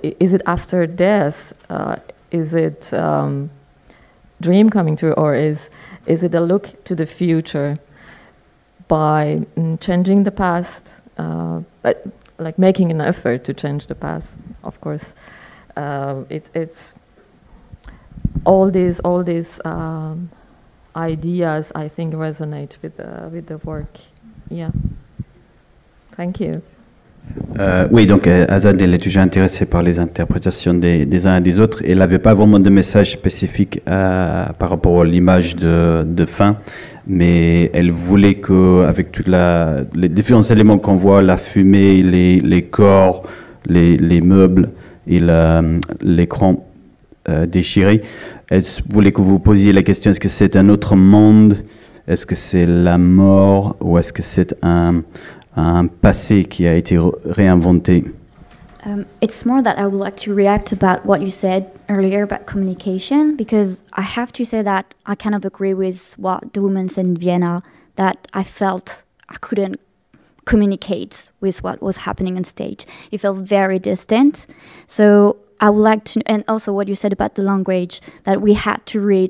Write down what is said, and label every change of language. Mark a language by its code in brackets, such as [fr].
[en] Is it after death? Is it dream coming true, or is it a look to the future by changing the past, but like making an effort to change the past? Of course, it's all these ideas, I think, resonate with the work. Yeah. Thank you. [fr] Oui, donc Azad, elle est toujours intéressée par les interprétations des uns et des autres. Elle n'avait pas vraiment de message spécifique par rapport à l'image de fin, mais elle voulait que, avec toutes les différents éléments qu'on voit, la fumée, les corps, les meubles et l'écran déchiré, elle voulait que vous posiez la question, est-ce que c'est un autre monde? Est-ce que c'est la mort? Ou est-ce que c'est un passé qui a été réinventé. [en] It's more that I would like to react about what you said earlier about communication, because I have to say that I kind of agree with what the woman said in Vienna, that I felt I couldn't communicate with what was happening on stage. It felt very distant. So I would like to, and also what you said about the language that we had to read.